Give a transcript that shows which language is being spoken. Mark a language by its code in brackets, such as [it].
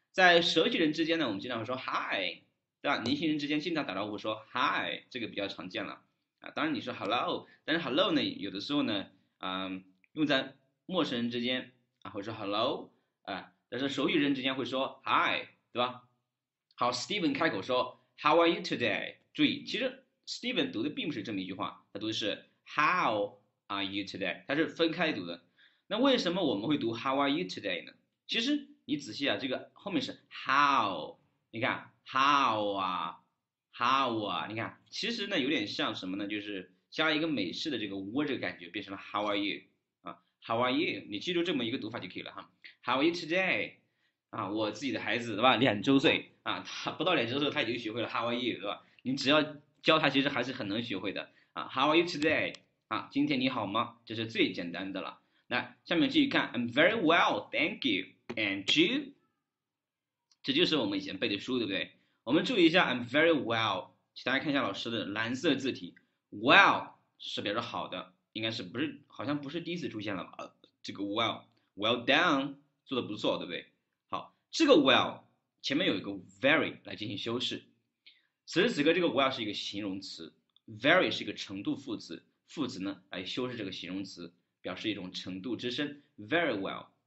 [zh] 在熟悉人之间呢，我们经常会说 Hi, 对吧？年轻人之间经常打招呼说 Hi, 这个比较常见了。当然你说 hello, 但是 hello 呢有的时候呢用在陌生人之间啊，会说 hello, 但是熟悉人之间会说 hi, 对吧？好， Steven 开口说 [en] how are you today? [zh] 注意，其实 Steven 读的并不是这么一句话，他读的是 [en] how are you today? [zh] 他是分开读的。那为什么我们会读 [en] how are you today [zh] 呢？其实你仔细啊，这个后面是 how, 你看 how 啊How 啊，你看，其实呢有点像什么呢？就是加一个美式的这个 what 这个感觉，变成了 How are you 啊 ？How are you？你记住这么一个读法就可以了哈。 [en] How are you today？ [zh] 啊，我自己的孩子对吧？两周岁啊，他不到两周岁他已经学会了 [en] How are you [zh] 对吧？你只要教他，其实还是很能学会的啊。 [en] How are you today？ [zh] 啊，今天你好吗？这是最简单的了。来，下面继续看 [en] ，I'm very well, thank you, and you？ [zh] 这就是我们以前背的书，对不对？我们注意一下 [en] I'm very well, [zh] 请大家看一下老师的蓝色字体， well 是表示好的，应该是不是好像不是第一次出现了吧，这个 well, well done, 做得不错，对不对？好，这个 well 前面有一个 very 来进行修饰，此时此刻这个 well 是一个形容词， very 是一个程度副词，副词呢来修饰这个形容词，表示一种程度之深， very well